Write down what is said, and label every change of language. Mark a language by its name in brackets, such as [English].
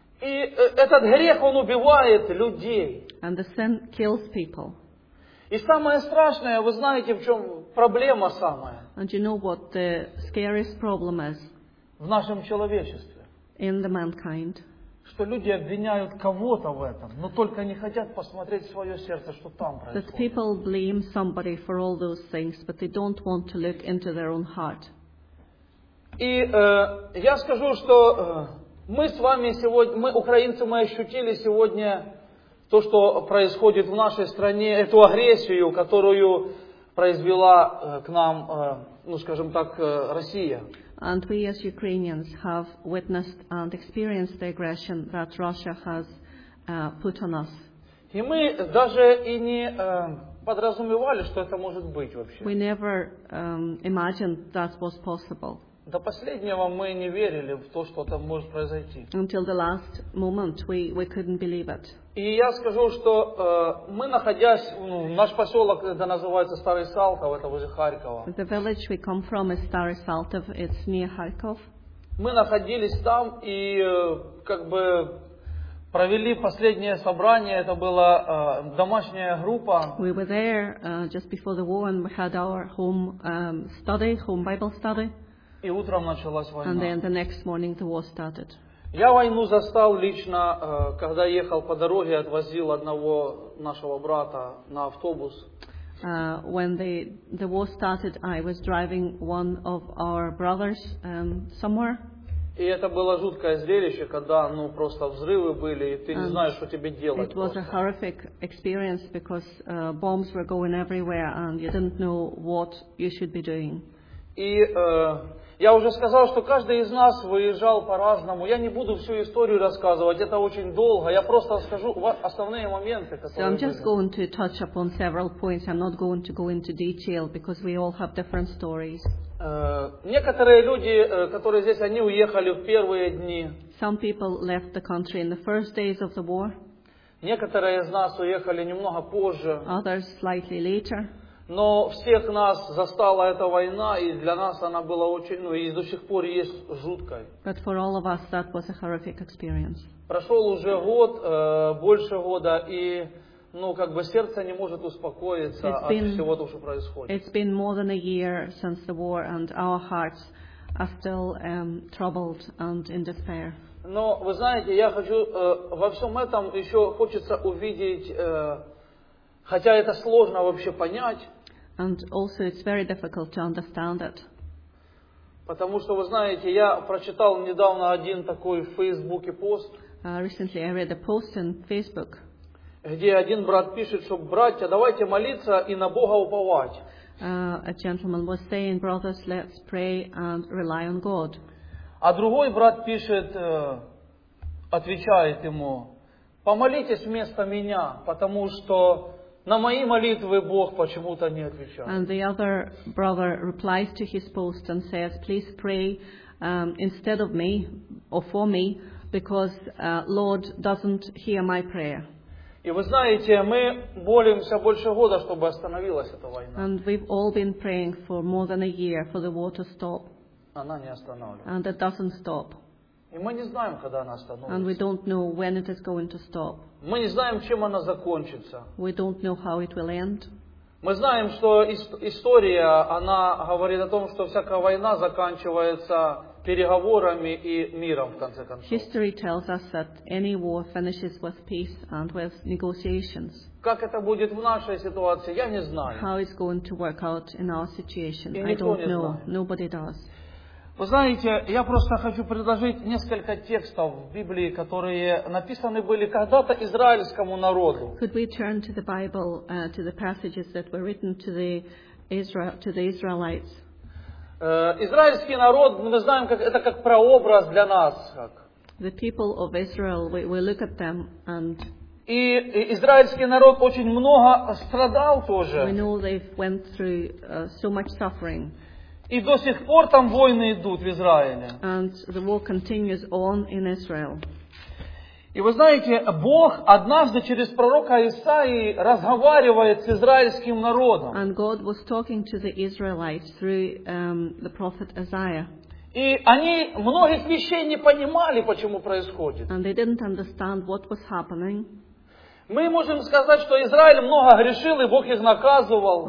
[Russian] И этот грех, он убивает людей. [English] And the sin kills people. [Russian] И самое страшное, вы знаете, в чем проблема самая? [English] And you know what the scariest problem is? [Russian] В нашем человечестве. [English] In the mankind. [Russian] Что люди обвиняют кого-то в этом, но только не хотят посмотреть в свое сердце, что там происходит. [English] That people blame somebody for all those things, but they don't want to look into their own heart. [Russian] И я скажу, что мы с вами сегодня, мы украинцы, мы ощутили сегодня то, что происходит в нашей стране, эту агрессию, которую произвела к нам, ну скажем так, Россия. [English] And we as Ukrainians have witnessed and experienced the aggression that Russia has put on us. [Russian] И мы даже и не подразумевали, что это может быть вообще. [English] We never imagined that was possible. [Russian] До последнего мы не верили в то, что там может произойти. [English] Until the last moment we couldn't believe it. [Russian] И я скажу, что мы находясь, ну, наш поселок, это называется Старый Салтов, это возле Харькова. [English] The village we come from is Starý Saltov, it's near Kharkov. [Russian] Мы находились там и как бы провели последнее собрание, это была домашняя группа. [English] We were there just before the war and we had our home study, home Bible study. [Russian] И утром началась война. [English] And then the next morning the war started. [Russian] Я войну застал лично, когда ехал по дороге, отвозил одного нашего брата на автобус. [English] When the war started, I was driving one of our brothers somewhere. [Russian] И это было жуткое зрелище, когда, ну, просто взрывы были, и ты не знаешь, что тебе делать. [English] It was a horrific experience because bombs were going everywhere, and you didn't know what you should be doing. [Russian] И я уже сказал, что каждый из нас выезжал по-разному. Я не буду всю историю рассказывать, это очень долго. Я просто скажу основные моменты, которые. [English] So I'm just going to touch upon several points. I'm not going to go into detail because we all have different stories. [Russian] Некоторые люди, которые здесь, они уехали в первые дни. [English] Some people left the country in the first days of the war. [Russian] Некоторые из нас уехали немного позже. [English] Others slightly later. [Russian] Но всех нас застала эта война, и для нас она была очень, ну и до сих пор есть жуткой. [English] But for all of us that was a horrific experience. [Russian] Прошел уже год, больше года, и, ну, как бы сердце не может успокоиться от всего того, что происходит. [English] It's been more than a year since the war, and our hearts are still troubled and in despair. [Russian] Но, вы знаете, я хочу во всем этом еще хочется увидеть. Хотя это сложно вообще понять. [English] And also it's very difficult to understand it. [Russian] Потому что, вы знаете, я прочитал недавно один такой в Фейсбуке пост. [English] Recently I read a post in Facebook. [Russian] Где один брат пишет, что братья, давайте молиться и на Бога уповать. [English] A gentleman was saying, brothers, let's pray and rely on God. [Russian] А другой брат пишет, отвечает ему, помолитесь вместо меня, потому что на мои молитвы Бог почему-то не отвечает. [English] And the other brother replies to his post and says, please pray instead of me or for me, because Lord doesn't hear my prayer. [Russian] И вы знаете, мы молимся больше года, чтобы остановилась эта война. [English] And we've all been praying for more than a year for the war to stop. [Russian] Она не остановится. [English] And it doesn't stop. [Russian] И мы не знаем, когда она остановится. [English] And we don't know when it is going to stop. [Russian] Мы не знаем, чем она закончится. [English] We don't know how it will end. [Russian] Мы знаем, что история, она говорит о том, что всякая война заканчивается переговорами и миром, в конце концов. [English] History tells us that any war finishes with peace and with negotiations. [Russian] Как это будет в нашей ситуации, я не знаю. [English] How it's going to work out in our situation, I don't know. Nobody does. [Russian] Вы знаете, я просто хочу предложить несколько текстов в Библии, которые написаны были когда-то израильскому народу. [English] Could we turn to the Bible, to the passages that were written to the Israel, to the Israelites? [Russian] Израильский народ, мы знаем, как это как прообраз для нас. Как. [English] The people of Israel, we look at them and. [Russian] И израильский народ очень много страдал тоже. [English] We know they've went through so much suffering. [Russian] И до сих пор там войны идут в Израиле. [English] And the war continues on in Israel. [Russian] И вы знаете, Бог однажды через пророка Исаии разговаривает с израильским народом. [English] And God was talking to the Israelites through the prophet Isaiah. [Russian] И они многих вещей не понимали, почему происходит. [English] And they didn't understand what was happening. [Russian] Мы можем сказать, что Израиль много грешил, и Бог их наказывал.